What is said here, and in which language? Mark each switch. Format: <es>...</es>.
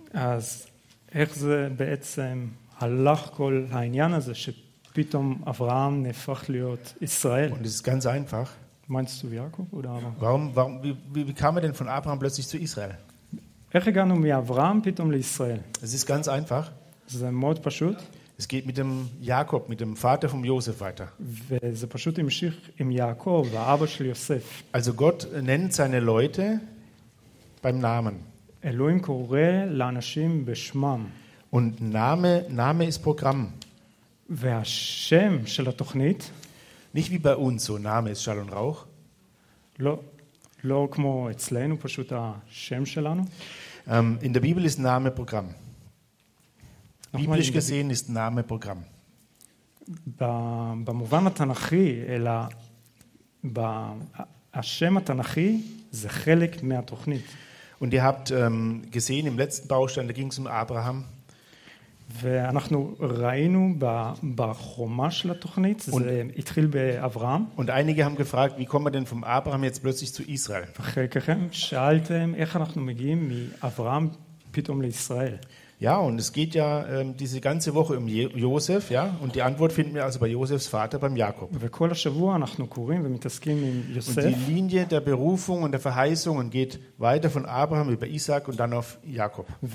<he>Als איך זה בעצם הלך כל העניין הזה שפתאום אברהם נהפך להיות ישראל?</he> <de>Und das ist ganz einfach. Meinst du Jakob oder Abraham? Warum wie kam er denn von Abraham plötzlich zu Israel?</de> <he>איך הגענו מאברהם פתאום לישראל?</he> <de>Es ist ganz einfach.</de> <he>זה מאוד פשוט.</he> <de>Es geht mit dem Jakob, mit dem Vater von Josef weiter.</de> <he>וזה פשוט המשיך עם יעקב, האבא של יוסף.</he> <de>Also Gott nennt seine Leute beim Namen.</de> <he>אלוהים קורא לאנשים בשמם.</he> <de>Und Name ist Programm.</de> <he>והשם של התוכנית.</he> <de>Nicht wie bei uns, so Name ist Schall und Rauch.</de> <he>לא כמו אצלנו, פשוט השם שלנו.</he> <de>In der Bibel ist Name Programm. Biblisch gesehen ist Name Programm.</de> <he>במובן התנכי, אלא בשם התנכי, זה חלק מהתוכנית.</he> <de>Und ihr habt gesehen im letzten Baustein, da ging es um Abraham.</de> <he>ואנחנו ראינו בחומה של התוכנית, זה התחיל באברהם.</he> <de>Und einige haben gefragt, wie kommen wir denn vom Abraham jetzt plötzlich zu Israel?</de> <he>וחלקכם שאלתם, איך אנחנו מגיעים מאברהם פתאום לישראל?</he> <de>Ja, und es geht ja diese ganze Woche um Josef, ja, und die Antwort finden wir also bei Josefs Vater, beim Jakob. Und die Linie der Berufung und der Verheißungen geht weiter von Abraham über Isaac und dann auf Jakob.</de>